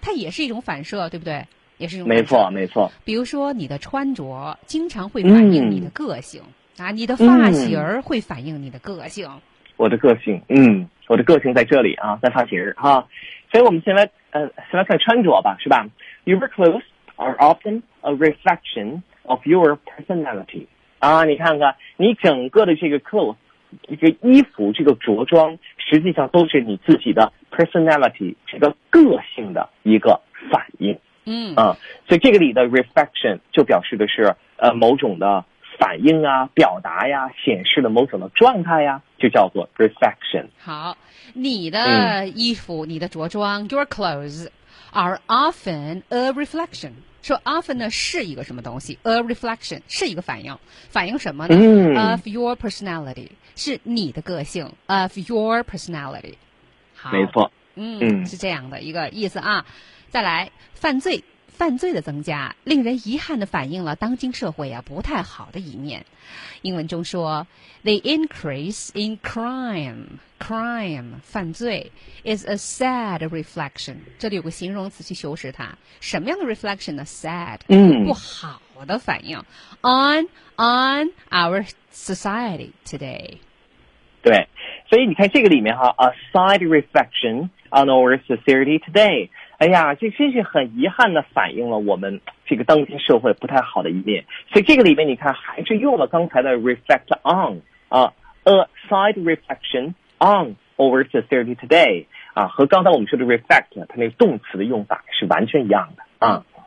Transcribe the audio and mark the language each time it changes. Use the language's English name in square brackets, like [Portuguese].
[Chinese] 它也是一种反射，对不对？也是一种反射，没错，没错。比如说你的穿着，经常会反映你的个性、你的发型会反映你的个性。我的个性，我的个性在这里啊，在发型哈、所以我们先来，先来看穿着吧，是吧？ [English] Your clothes are often a reflection of your personality. [Chinese] 啊，你看看，你整个的这个 clothes， 一个衣服，这个着装，实际上都是你自己的 personality， 这个个性的一个反应。所以这个里的 reflection 就表示的是某种的反应啊、表达呀、显示的某种的状态呀，就叫做 reflection。好，你的衣服、你的着装 ， your clothes。 are often a reflection，说 often 呢是一个什么东西， a reflection 是一个反应，反应什么呢？ [English] of your personality，是你的个性， of your personality。 [Chinese] 好，没错，是这样的一个意思啊。再来，犯罪的增加令人遗憾地反映了当今社会不太好的一面。 [English] 英文中说 The increase in crime 犯罪 is a sad reflection。 [Chinese] 这里有个形容词去修饰它，什么样的 reflection 呢？ [English] sad 不好的反应 on our society today。对，所以你看这个里面哈， a sad reflection on our society today， [Chinese] 哎呀，这真是很遗憾的反映了我们这个当今社会不太好的一面。所以这个里面你看还是用了刚才的 reflect on, a side reflection on over society today, 啊，和刚才我们说的 reflect, 它那个动词的用法是完全一样的啊。